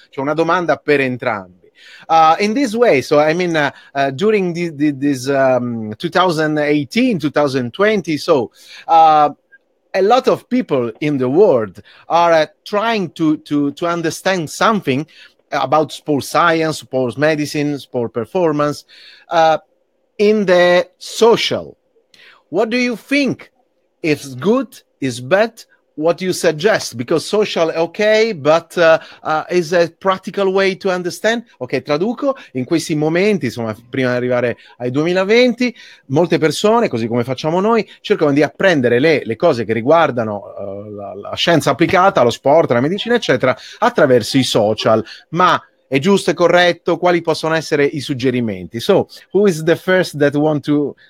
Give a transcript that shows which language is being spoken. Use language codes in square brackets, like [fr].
[it] Cioè una domanda per entrambi. [en] In this way, so I mean, during this 2018-2020, so a lot of people in the world are trying to understand something about sports science, sports medicine, sport performance in the social. What do you think? If it's good, is bad, what do you suggest? Because social, okay, but is a practical way to understand? [it] Ok, traduco, in questi momenti, insomma, prima di arrivare ai 2020, molte persone, così come facciamo noi, cercano di apprendere le cose che riguardano la scienza applicata, lo sport, la medicina, eccetera, attraverso i social. Ma è giusto, è corretto? Quali possono essere i suggerimenti? [en] So, who is the first that want to...